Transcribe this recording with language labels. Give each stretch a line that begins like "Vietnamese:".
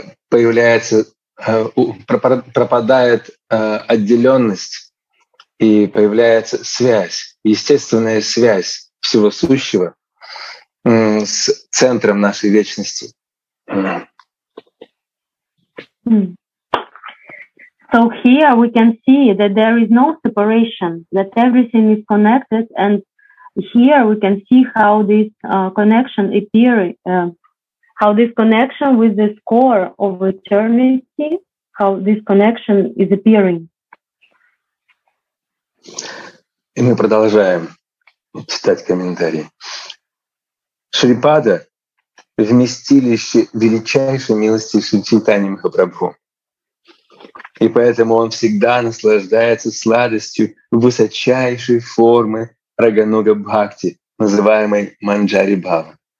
Russian: Появляется, пропадает отделенность, и появляется связь, естественная связь всего сущего с центром нашей вечности.
English: So here we can see that there is no separation, that everything is connected, and here we can see how this connection appears, how this connection with this core of eternity, how this connection is appearing.
Russian: И мы продолжаем читать комментарии. Шрипада — вместилище величайшей милости Шри Чайтаньи Махапрабху. И поэтому он всегда наслаждается сладостью высочайшей формы Рагануга Бхакти, называемой Манджари Бхава.